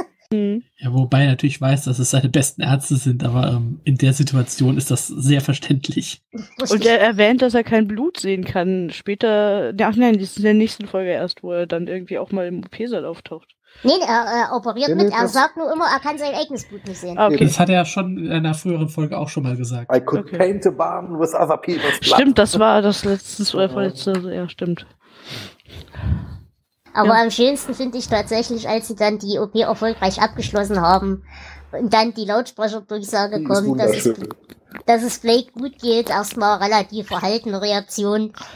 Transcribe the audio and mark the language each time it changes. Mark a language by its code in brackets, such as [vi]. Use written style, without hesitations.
[de] Ja, wobei er natürlich weiß, dass es seine besten Ärzte sind, aber in der Situation ist das sehr verständlich. Und er erwähnt, dass er kein Blut sehen kann später, ach nein, das ist in der nächsten Folge erst, wo er dann irgendwie auch mal im OP-Saal auftaucht. Nee, er operiert mit, er sagt nur immer, er kann sein eigenes Blut nicht sehen. Okay. Das hat er ja schon in einer früheren Folge auch schon mal gesagt. [en] I could paint a barn with other people's blood. [de] Stimmt, das war das letztens oder vorletzte, ja, stimmt. Aber am schönsten finde ich tatsächlich, als sie dann die OP erfolgreich abgeschlossen haben und dann die Lautsprecherdurchsage kommt, dass es Blake gut geht, erstmal relativ verhaltene Reaktion.